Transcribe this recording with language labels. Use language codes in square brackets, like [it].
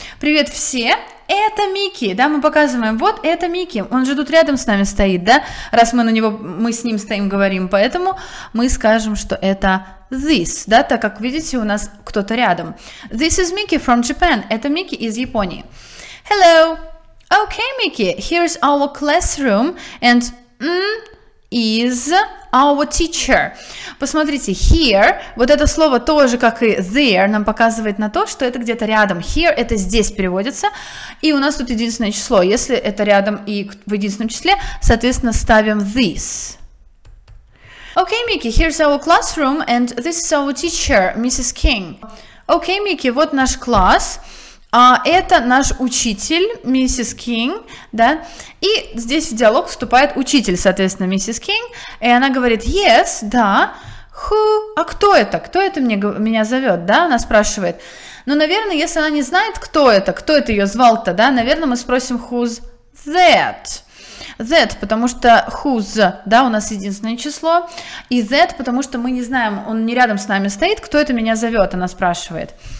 [ru] привет все, это Микки, да, мы показываем, вот это Микки, он же тут рядом с нами стоит, да, раз мы на него, мы с ним стоим, говорим, поэтому мы скажем, что это this, да, так как, видите, у нас кто-то рядом, [en] this is Mickey from Japan, [ru] это Микки из Японии, [en] hello, okay, Mickey, here's our classroom, and is our teacher. [ru] Посмотрите, here, вот это слово тоже, как и there, нам показывает на то, что это где-то рядом. Here, это здесь переводится, и у нас тут единственное число. Если это рядом и в единственном числе, соответственно, ставим this. [en] Okay, Mickey, here's our classroom, and this is our teacher, Mrs. King. Okay, Mickey, [ru] вот наш класс. А это наш учитель, миссис Кинг, да, и здесь в диалог вступает учитель, соответственно, миссис Кинг, и она говорит, yes, да, who, а кто это мне, меня зовет, да, она спрашивает, ну, наверное, если она не знает, кто это ее звал-то, да, наверное, мы спросим, [en] who's that, that, [ru] потому что who's, да, у нас единственное число, и that, потому что мы не знаем, он не рядом с нами стоит, кто это меня зовет, она спрашивает.